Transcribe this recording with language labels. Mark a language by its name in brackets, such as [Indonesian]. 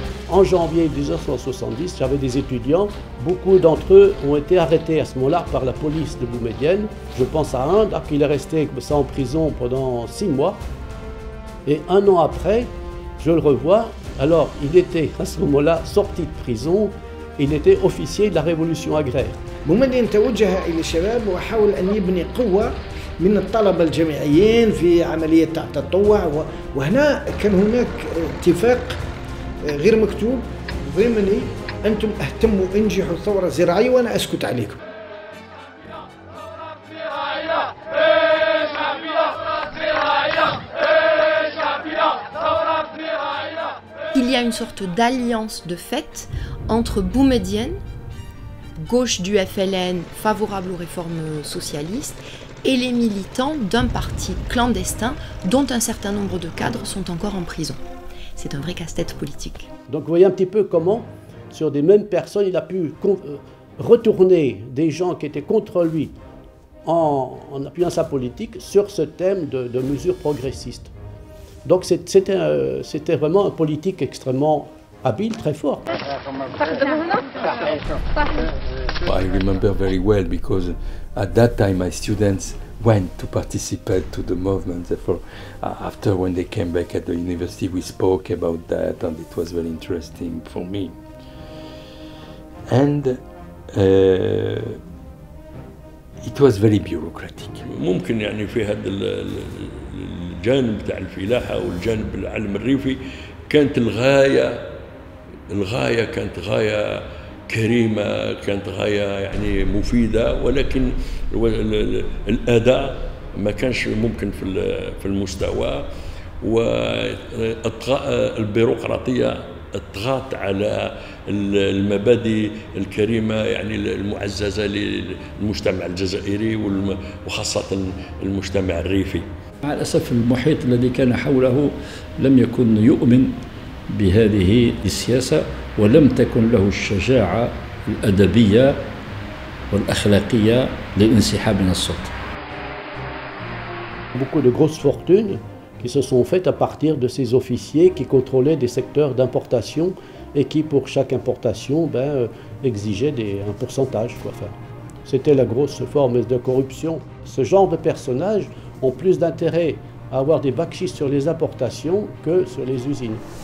[French] En janvier 1970, j'avais des étudiants. Beaucoup d'entre eux ont été arrêtés à ce moment-là par la police de Boumediene. Je pense à un, qui est resté en prison pendant 6 mois. Et un an après, je le revois. Alors, il était à ce moment-là sorti de prison. Il était officier de la révolution agraire. [Arabic] Boumediene توجه إلى الشباب وحاول أن يبني قوة من الطلبة الجامعيين في عملية التطوع. وهنا كان هناك اتفاق غير مكتوب ضمني، أنتم اهتموا انجحوا ثورة زراعية وأنا أسكت عليكم. [French] Il y a une sorte d'alliance de fait entre Boumediene, gauche du FLN favorable aux réformes socialistes, et les militants d'un parti clandestin dont un certain nombre de cadres sont encore en prison. C'est un vrai casse-tête politique. Donc vous voyez un petit peu comment, sur des mêmes personnes, il a pu retourner des gens qui étaient contre lui en appuyant sa politique sur ce thème de mesures progressistes. Donc c'était vraiment un politique extrêmement habile, très fort. [English] I remember very well because at that time my students went to participate to the movement. Therefore, after when they came back at the university, we spoke about that, and it was very interesting for me. And it was very bureaucratic. [Arabic] ممكن يعني في هذا الجانب تاع الفلاحة والجانب العلم الريفي كانت الغاية كانت غاية كريمة، كانت غاية يعني مفيدة، ولكن الأداء ما كانش ممكن في المستوى، وإطغاء البيروقراطية اطغت على المبادئ الكريمة يعني المعززة للمجتمع الجزائري وخاصة المجتمع الريفي. مع الأسف المحيط الذي كان حوله لم يكن يؤمن بهذه السياسة، ولم تكن له الشجاعة الأدبية والأخلاقية للانسحاب من السلطة. [French] Beaucoup de grosses fortunes qui se sont faites à partir de ces officiers qui contrôlaient des secteurs d'importation et qui pour chaque importation exigeaient un pourcentage quoi. Enfin, c'était la grosse forme de corruption. Ce genre de personnages ont plus d'intérêt à avoir des bakchis sur les importations que sur les usines.